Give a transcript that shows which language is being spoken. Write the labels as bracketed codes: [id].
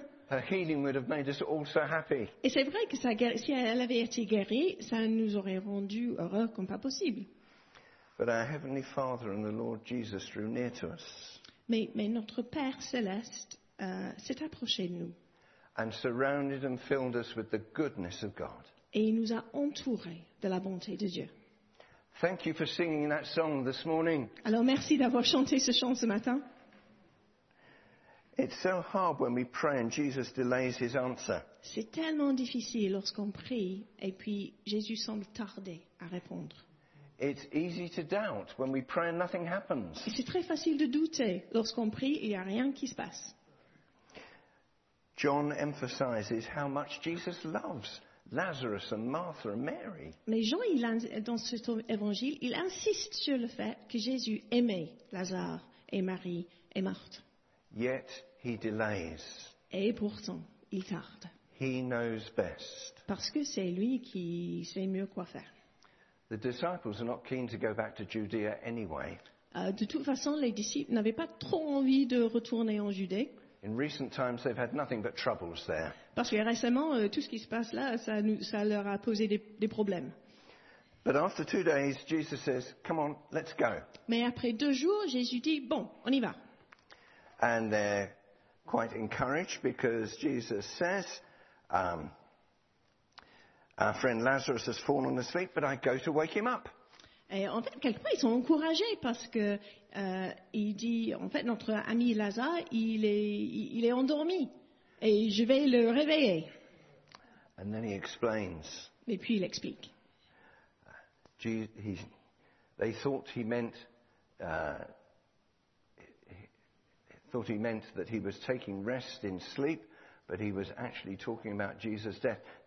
[en] Her healing would have made us all so happy. [fr] Et c'est vrai que ça, si elle avait été guérie, ça nous aurait rendu heureux comme pas possible. [en] But our heavenly Father and the Lord Jesus drew near to us. [fr] Mais notre Père céleste s'est approché de nous. [en] And surrounded and filled us with the goodness of God. [fr] Et il nous a entourés de la bonté de Dieu. [en] Thank you for singing that song this morning. [fr] Alors merci d'avoir chanté ce chant ce matin. [en] It's so hard when we pray and Jesus delays his answer. [fr] C'est tellement difficile lorsqu'on prie et puis Jésus semble tarder à répondre. [en] It's easy to doubt when we pray and nothing happens. [fr] Et c'est très facile de douter lorsqu'on prie et il n'y a rien qui se passe. [en] John emphasizes how much Jesus loves Lazarus and Martha and Mary. [fr] Mais Jean, dans cet évangile, il insiste sur le fait que Jésus aimait Lazare et Marie et Marthe. [en] Yet he delays. [fr] Et pourtant, il tarde. [en] He knows best. [fr] Parce que c'est lui qui sait mieux quoi faire. [en] The disciples are not keen to go back to Judea anyway. [fr] De toute façon, les disciples n'avaient pas trop envie de retourner en Judée. [en] In recent times, they've had nothing but troubles there. [fr] Parce que récemment, tout ce qui se passe là, ça leur a posé des problèmes. [en] But after 2 days, Jesus says, "Come on, let's go." [fr] Mais après 2 jours, Jésus dit, "Bon, on y va." [en] And they're quite encouraged because Jesus says, "Our friend Lazarus has fallen asleep, but I go to wake him up." [fr] Et en fait, quelquefois, ils sont encouragés parce que il dit, en fait, notre ami Lazare, il est endormi et je vais le réveiller. [en] And then he explains. [fr] Et puis il explique. [en] They thought he meant that he was taking rest in sleep, but he was actually talking about Jesus' death.